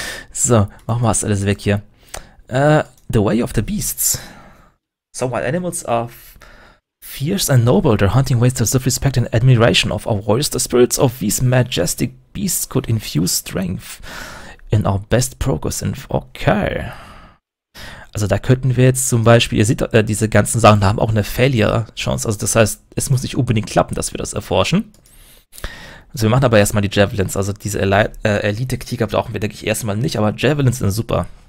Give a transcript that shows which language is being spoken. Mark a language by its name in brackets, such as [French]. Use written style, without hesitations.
[German] So, machen wir das alles weg hier. [English] The Way of the Beasts. So, while animals are fierce and noble, their hunting ways deserve respect and admiration of our warriors. The spirits of these majestic beasts could infuse strength in our best progress. Okay. [German] Also da könnten wir jetzt zum Beispiel, ihr seht, diese ganzen Sachen haben auch eine Failure-Chance. Also das heißt, es muss nicht unbedingt klappen, dass wir das erforschen. Also wir machen aber erstmal die Javelins. Also diese Elite-Krieger brauchen wir, denke ich, erstmal nicht, aber Javelins sind super.